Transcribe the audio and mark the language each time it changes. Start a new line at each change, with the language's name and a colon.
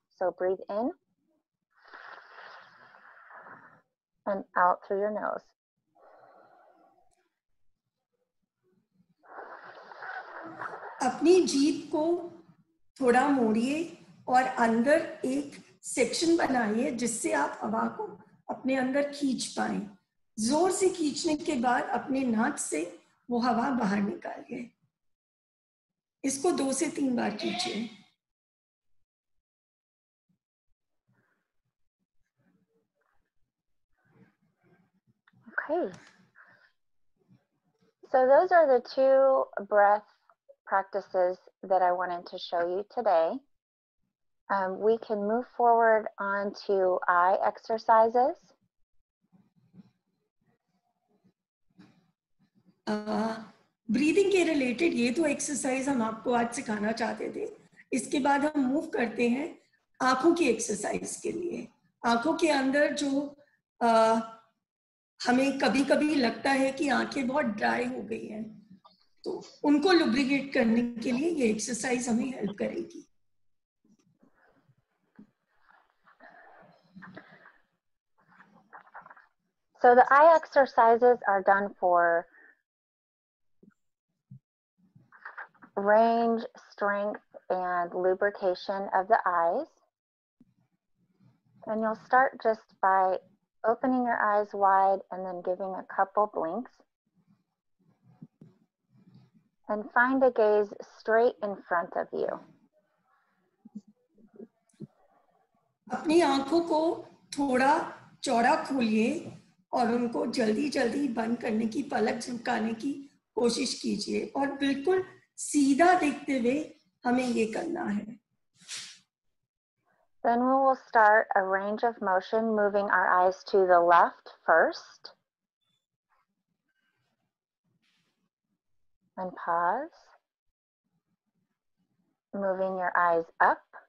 English: So breathe in and out through your nose.
Hindi: अपनी जीभ को थोड़ा मोड़िए और अंदर एक सेक्शन बनाइए जिससे आप हवा को अपने अंदर खींच पाएं. जोर से खींचने के बाद अपने नाक से वो हवा बाहर निकालिए. इसको 2 से 3 बार कीजिए.
English: Okay. So those are the 2 breath practices that I wanted to show you today. We can move forward on to eye exercises.
Hindi: Breathing के रिलेटेड ये दो एक्सरसाइज हम आपको आज सिखाना चाहते थे। इसके बाद हम मूव करते हैं आंखों की एक्सरसाइज के लिए। आंखों के अंदर जो हमें कभी कभी लगता है कि आंखें बहुत ड्राई हो गई हैं, तो उनको लुब्रिकेट करने के लिए ये एक्सरसाइज हमें हेल्प करेगी।
English: So the eye exercises are done for range, strength, and lubrication of the eyes. And you'll start just by opening your eyes wide and then giving a couple blinks. And find a gaze straight in front of you.
Hindi: अपनी आँखों को थोड़ा चौड़ा खोलिए और उनको जल्दी जल्दी बंद करने की पलक झपकाने की कोशिश कीजिए और बिल्कुल सीधा देखते हुए हमें ये करना है।
English: Then we will start a range of motion, moving our eyes to the left first. And pause. Moving your eyes up.